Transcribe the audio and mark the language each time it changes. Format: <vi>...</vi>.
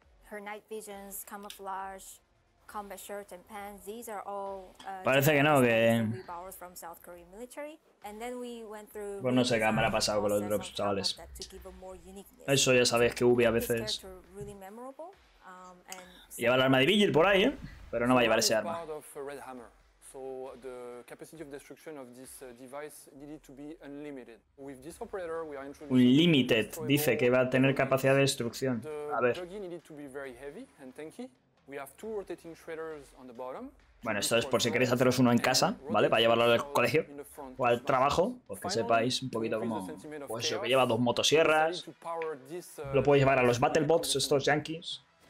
<en>Her night visions, camouflage, combat shirt and pants, these are all</en> <es>parece que no, que</es> <en>we borrowed from South Korean military. And then we went through.</en> <es>Pues no sé qué me ha pasado con los drops, chavales. Eso ya sabéis que Ubi a veces. Lleva el arma de Vigil por ahí, ¿eh? Pero no va a llevar ese arma.</es> <en>So the capacity of destruction of this device needed to be unlimited. With this operator, we are introducing.</en> <es>Unlimited, dice que va a tener capacidad de destrucción. A ver.</es> <en>Needed to be very heavy and tanky. We have two rotating shredders on the bottom.</en> <es>Bueno, esto es por si queréis haceros uno en casa, ¿vale? Para llevarlo al colegio o al trabajo, pues que sepáis un poquito como... Pues yo que lleva dos motosierras, lo puedo llevar a los Battlebots, estos yankees.</es>